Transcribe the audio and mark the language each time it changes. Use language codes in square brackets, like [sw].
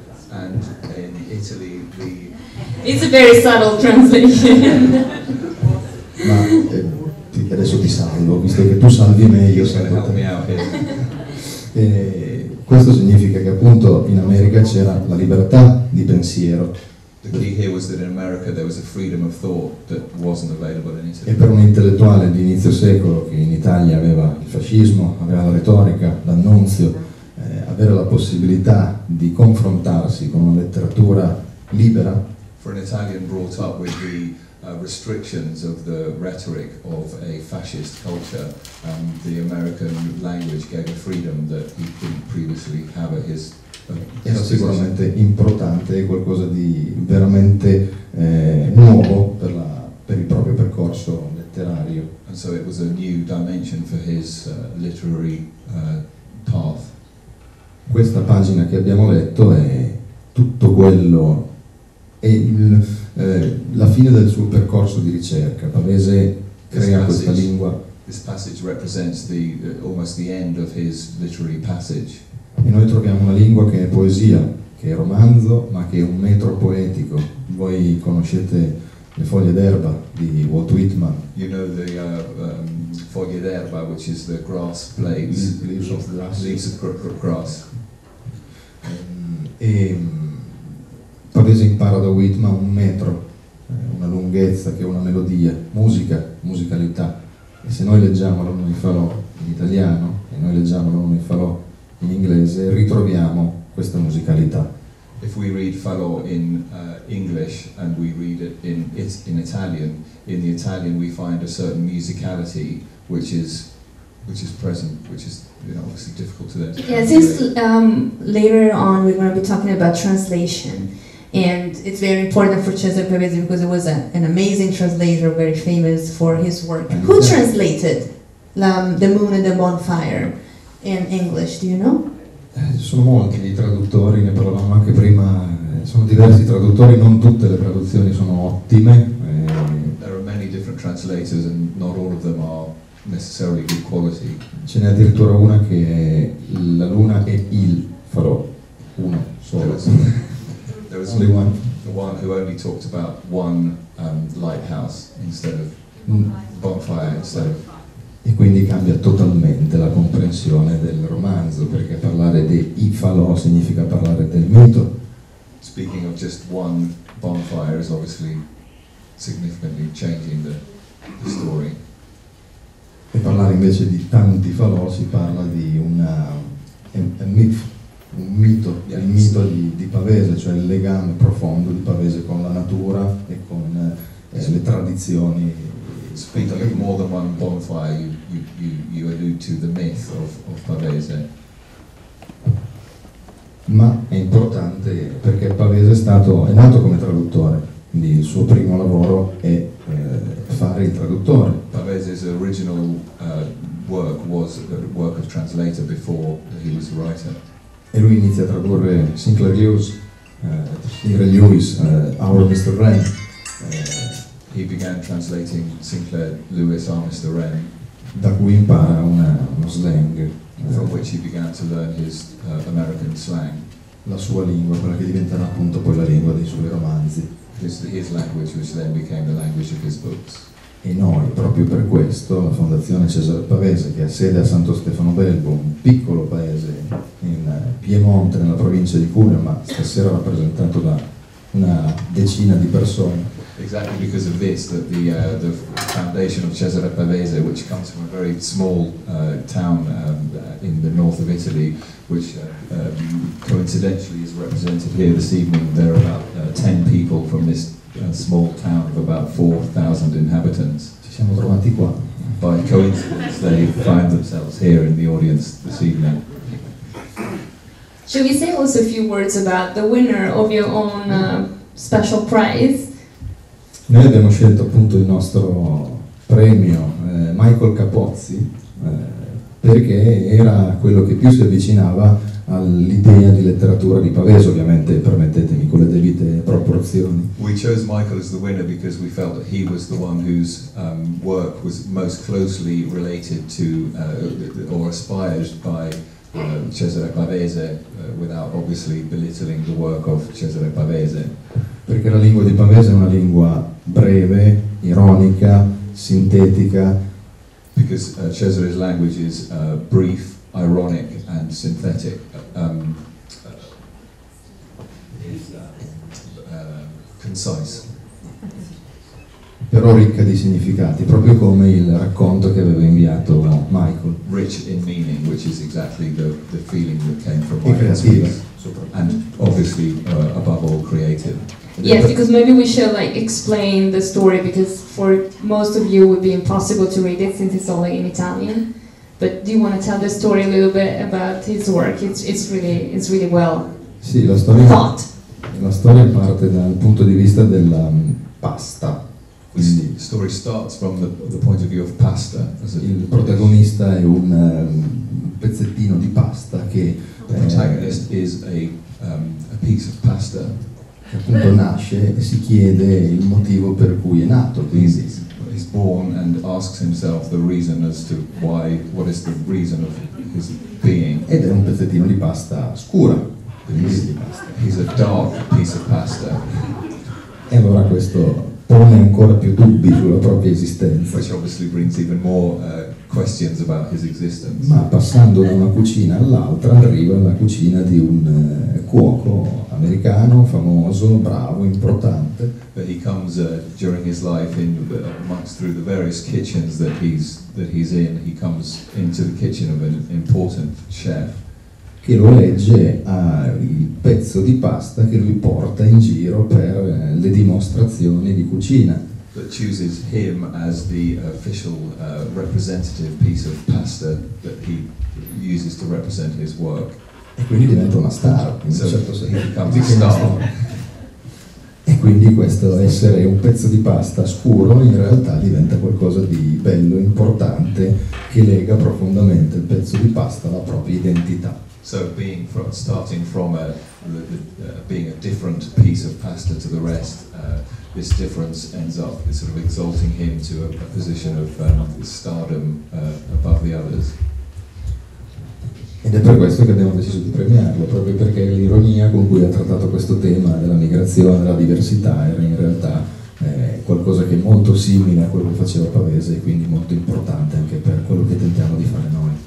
[en] And in Italy the. It's a very subtle translation. [it] Ma, adesso ti salvo, visto che tu salvi me, io salvo te. Questo significa che appunto in America c'era la libertà di pensiero. [en] The key here was that in America there was a freedom of thought that wasn't available in Italy. [it] E per un intellettuale di inizio secolo che in Italia aveva il fascismo, aveva la retorica, l'annunzio, avere la possibilità di confrontarsi con una letteratura libera. [en] For an Italian brought up with the restrictions of the rhetoric of a fascist culture, the American language gave a freedom that he didn't previously have at his [it] era sicuramente importante, qualcosa di veramente nuovo per la per il proprio percorso letterario. [en] And so it was a new dimension for his literary path. [it] Questa pagina che abbiamo letto è tutto quello, è il la fine del suo percorso di ricerca. Pavese crea questa lingua. [en] This passage represents the almost the end of his literary passage. [it] E noi troviamo una lingua che è poesia, che è romanzo, ma che è un metro poetico. Voi conoscete Le foglie d'erba di Walt Whitman. [en] You know the foglie d'erba, which is the grass blades. Leaves of grass. Leaves of grass. [it] E Pavese impara da Whitman un metro, una lunghezza che è una melodia, musica, musicalità. E se noi leggiamo L'uomo di Falò in italiano e noi leggiamo L'uomo di Falò in inglese, ritroviamo questa musicalità. [en] If we read Falò in English and we read it in Italian, in the Italian we find a certain musicality which is present, which is, you know, obviously difficult to learn. Yeah, since later on we're going to be talking about translation, and it's very important for Cesare Pavese because it was an amazing translator, very famous for his work. And who translated The Moon and the Bonfire in English, do you know? [it] Sono molti i traduttori, ne parlavamo anche prima, sono diversi traduttori, non tutte le traduzioni sono ottime. [en] There are many different translators and not all of them are necessarily good quality. [it] Ce n'è addirittura una che è La Luna e il Farò, uno solo. [en] There was only one. The one who only talked about one lighthouse instead of bonfire instead of. [it] E quindi cambia totalmente la comprensione del romanzo, perché parlare di I Falò significa parlare del mito. [en] Speaking of just one bonfire is obviously significantly changing the story. [it] E parlare invece di tanti falò si parla di un mito, yes. Il mito di Pavese, cioè il legame profondo di Pavese con la natura e con le tradizioni. [en] Speaking of more than one bonfire, you allude to the myth of Pavese. [it] Ma è importante perché Pavese è nato come traduttore, quindi il suo primo lavoro è fare il traduttore. [en] Pavese's original work was the work of translator before he was a writer. [it] E lui inizia a tradurre Sinclair Lewis, Our Mr. Wren. [en] He began translating Sinclair Lewis, Our Mr. Wren. [it] Da cui impara uno slang. [en] From which he began to learn his American slang. [it] La sua lingua, quella che diventerà appunto poi la lingua dei suoi romanzi. [en] His language, which then became the language of his books. [it] E noi, proprio per questo, la Fondazione Cesare Pavese, che ha sede a Santo Stefano Belbo, un piccolo paese in Piemonte, nella provincia di Cuneo, ma stasera rappresentato da una decina di persone. [en] Exactly because of this, that the foundation of Cesare Pavese, which comes from a very small town in the north of Italy, which coincidentally is represented here this evening, there are about 10 people from this small town of about 4,000 inhabitants. [it] Ci siamo trovati qua. [en] By coincidence, they find themselves here in the audience this evening. Should we say also a few words about the winner of your own special prize? [it] Noi abbiamo scelto appunto il nostro premio, Michael Capozzi, perché era quello che più si avvicinava all'idea di letteratura di Pavese, ovviamente, permettetemi, con le debite proporzioni. [en] We chose Michael as the winner because we felt that he was the one whose work was most closely related to or aspired by Cesare Pavese, without obviously belittling the work of Cesare Pavese. [it] Perché la lingua di Pavese è una lingua breve, ironica, sintetica. [en] Because Cesare's language is brief, ironic and synthetic. Concise. [it] Però ricca di significati, proprio come il racconto che aveva inviato Michael. [en] Rich in meaning, which is exactly the feeling that came from Michael's speech. And obviously, above all, creative. Yes, because maybe we should like explain the story, because for most of you it would be impossible to read it since it's only in Italian. But do you want to tell the story a little bit about his work? It's really well thought. [it] La storia parte dal punto di vista della pasta. [en] The story starts from the point of view of pasta. [it] Il protagonista è un pezzettino di pasta che. [en] The protagonist is a piece of pasta. [it] Che appunto nasce e si chiede il motivo per cui è nato. [en] He's born and asks himself the reason as to why, what is the reason of his being. [it] Ed è un pezzettino di pasta scura. [en] He's a dark piece of pasta. [it] E allora questo pone ancora più dubbi sulla propria esistenza. [en] Which obviously brings even more questions about his existence. [it] Ma passando da una cucina all'altra arriva alla cucina di un cuoco americano, famoso, bravo, importante. [en] But he comes during his life in amongst through the various kitchens that he's in, he comes into the kitchen of an important chef. [it] Che lo legge il pezzo di pasta che lui porta in giro per le dimostrazioni di cucina. [en] That chooses him as the official representative piece of pasta that he uses to represent his work. [it] E quindi diventa una star, in [en] so [it] un certo senso. [en] He becomes a star. [it] E quindi questo essere un pezzo di pasta scuro in realtà diventa qualcosa di bello, importante, che lega profondamente il pezzo di pasta alla propria identità. [en] So being from starting from being a different piece of pasta to the rest, this difference ends up sort of exalting him to a position of stardom above the others. [it] Ed è per questo che abbiamo deciso di premiarlo, proprio perché l'ironia con cui ha trattato questo tema della migrazione, della diversità, era in realtà qualcosa che è molto simile a quello che faceva Pavese e quindi molto importante anche per quello che tentiamo di fare noi.